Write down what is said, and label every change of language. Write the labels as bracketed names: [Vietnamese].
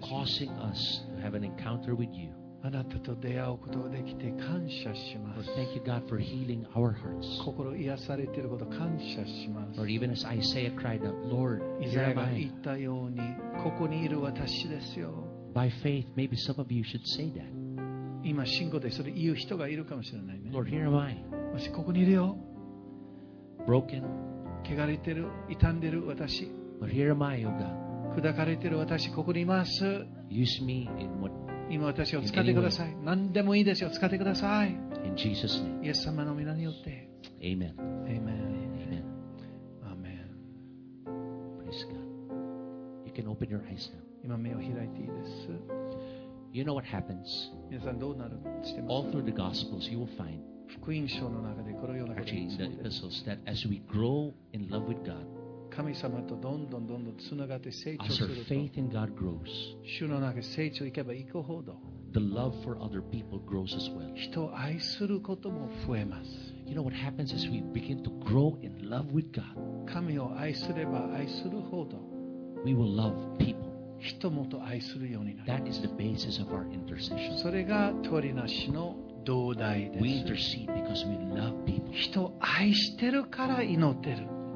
[English] For causing us to have an encounter with you. [Japanese] あなたと出会うことができて感謝します。 [English] Lord, thank you, God, for healing our hearts. [Japanese] 心癒されていること感謝します。 [English] Lord, even as Isaiah cried out, Lord, [Japanese] イザヤが言ったように、ここにいる私ですよ。 [English] By faith, maybe some of you should say that. [Japanese] 今信仰でそれ言う人がいるかもしれないね。 [English] Lord, here am I. [Japanese] 私ここにいるよ。 [English] Broken. [Japanese] 汚れてる、傷んでる私。 [English] Lord, here am I, O God. [Japanese] 砕かれてる私ここにいます。 [English] Use me in what. [Japanese] 今私を使ってください。何でもいいですよ。使ってください。 [English] In Jesus name. [Japanese] イエス様の名によって。 [English] Amen. Amen. Amen. Amen. Praise God. You can open your eyes now. [Japanese] 今目を開いていいです。 [English] You know what happens? [Japanese] 皆さんどうなる？知ってます [English] か？All through the Gospels, you will find. [Japanese] 福音書の中でこのようなことです。 [English] Actually, in the epistles, that as we grow in love with God. [Japanese] 神様とどんどんどんどんつながって成長すると [English] As our faith in God grows, [Japanese] 主の中で成長いけばいくほど [English] the love for other people grows as well. [Japanese] 人を愛することも増えます。 [English] You know what happens is we begin to grow in love with God. [Japanese] 神を愛すれば愛するほど、 [English] we will love people. [Japanese] 人もと愛するようになります。 [English] That is the basis of our intercession. [Japanese] それが取りなしの同代です。 [English] We intercede because we love people. [Japanese] 人を愛してるから祈ってる。